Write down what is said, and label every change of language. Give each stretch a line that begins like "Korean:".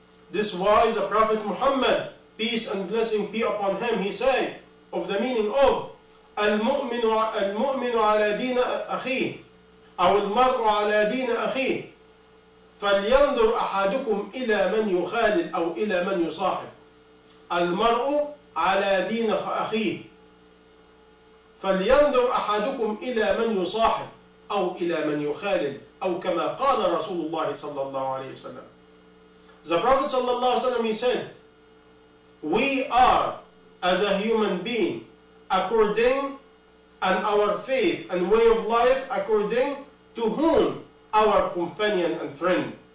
English: This wise the Prophet Muhammad, peace and blessing be upon him, he said of the meaning of
Arabic: Al-Mu'minu ala deena akhi, أو المرء على دين أخيه فلينظر أحدكم إلى من يخالل أو إلى من يصاحب. المرء على دين أخيه فلينظر أحدكم إلى من يصاحب أو إلى من يخالل أو كما قال رسول الله صلى الله عليه وسلم.
English: The Prophet صلى الله عليه وسلم he said, we are as a human being according and our faith and way of life according to whom? Our companion and friend.